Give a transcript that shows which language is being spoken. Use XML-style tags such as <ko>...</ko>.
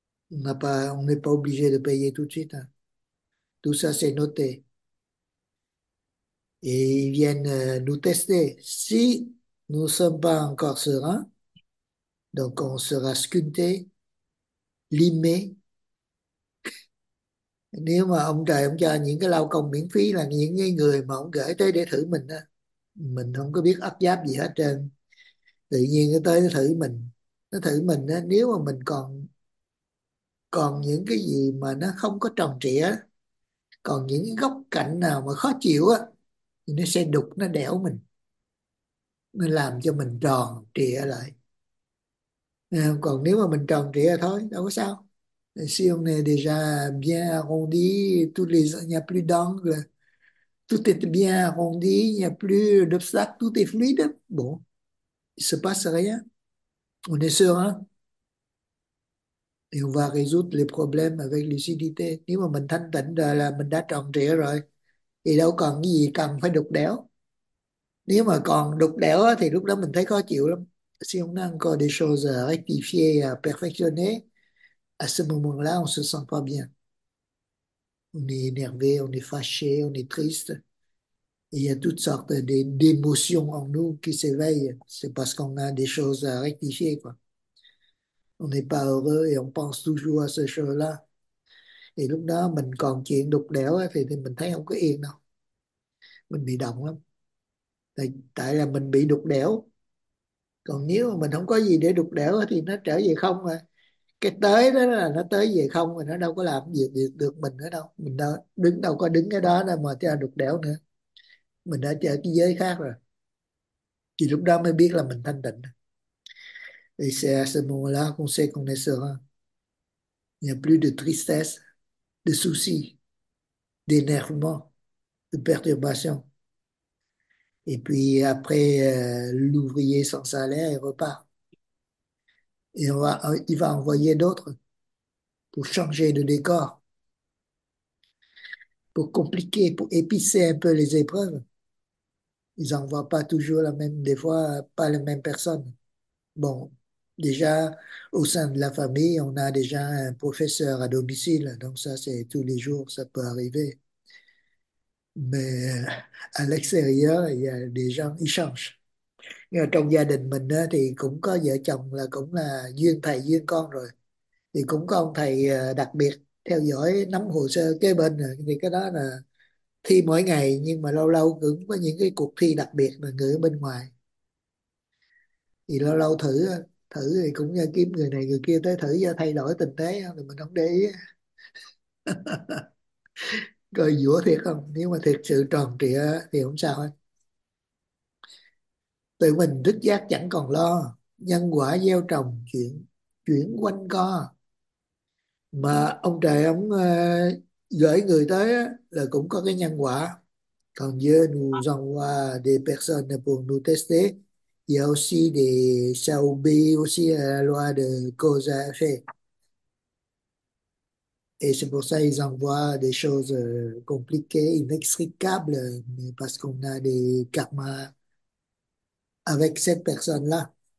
<fr>On n'est pas obligé de payer tout de suite. Hein. Tout ça, c'est noté. Et ils viennent nous tester. Si nous ne sommes pas encore sereins, donc on sera sculpté, limé.</fr> <vi>Nếu mà ông trời ông cho những cái lao công miễn phí là những cái người mà ông gửi tới để thử mình á, mình không có biết ấp giáp gì hết trơn, tự nhiên nó tới nó thử mình á, nếu mà mình còn còn những cái gì mà nó không có tròn trịa, còn những cái góc cạnh nào mà khó chịu á, thì nó sẽ đục, nó đẽo mình, nó làm cho mình tròn trịa lại. À, còn nếu mà mình tròn trịa thôi đâu có sao.</vi> <fr>Si on est déjà bien arrondi, il n'y a plus d'angle, tout est bien arrondi, il n'y a plus d'obstacle, tout est fluide, bon, il se passe rien. On est serein. Et on va résoudre les problèmes avec lucidité.</fr> <vi>Nếu mà mình thanh tịnh rồi là mình đã tròn trịa rồi, thì đâu còn cái gì cần phải đục đẽo. Nếu mà còn đục đẽo thì lúc đó mình thấy khó chịu lắm.</vi> <fr>Si on a encore des choses à rectifier, à perfectionner, à ce moment-là, on se sent pas bien. On est énervé, on est fâché, on est triste. Il y a toutes sortes d'émotions en nous qui s'éveillent. C'est parce qu'on a des choses à rectifier, quoi. On n'est pas heureux et on pense toujours à ce chose-là. Et</fr> <vi>lúc đó, mình còn chuyện đục đẽo thì mình thấy không có yên đâu. Mình bị động lắm. Tại là mình bị đục đẽo. Còn nếu mà mình không có gì để đục đẽo thì nó trở về không mà. Cái tới đó là nó tới về không rồi, nó đâu có làm gì được mình nữa đâu. Mình đâu đứng đâu có đứng cái đó đâu mà cho đục đẽo nữa, mình đã chơi cái giới khác rồi, thì lúc đó mới biết là mình thanh tịnh.</vi> <fr>Et c'est à ce moment-là qu'on sait qu'on est serein. Il n'y a plus de tristesse, de soucis, d'énervement, de perturbation. Et puis après, l'ouvrier sans salaire, il repart. Et il va envoyer d'autres pour changer de décor, pour compliquer, pour épicer un peu les épreuves. Ils n'envoient pas toujours la même, des fois, pas la même personne. Bon, déjà, au sein de la famille, on a déjà un professeur à domicile, donc ça, c'est tous les jours, ça peut arriver. Mais à l'extérieur, il y a des gens, ils changent. Et</fr> <vi>trong gia đình mình á, thì cũng có vợ chồng là cũng là duyên thầy duyên con rồi. Thì cũng có ông thầy đặc biệt theo dõi nắm hồ sơ kế bên rồi. Thì cái đó là thi mỗi ngày nhưng mà lâu lâu cũng có những cái cuộc thi đặc biệt mà người ở bên ngoài. Thì lâu lâu thử, thử thì cũng kiếm người này người kia tới thử cho thay đổi tình thế thì mình không để ý. Coi giũa thiệt không? Nếu mà thiệt sự tròn trịa thì không sao hết. Tự mình thức giác chẳng còn lo, nhân quả gieo trồng chuyển chuyển quanh co. Mà ông trời ông gửi người tới á, là cũng có cái nhân quả. Còn</vi> <fr>Dieu nous envoie des personnes pour nous tester. Il y a aussi des saubi, aussi la loi de cause à effet. Et c'est pour ça qu'ils envoient des choses compliquées, inextricables, mais parce qu'on a des karmas avec cette personne-là.</fr>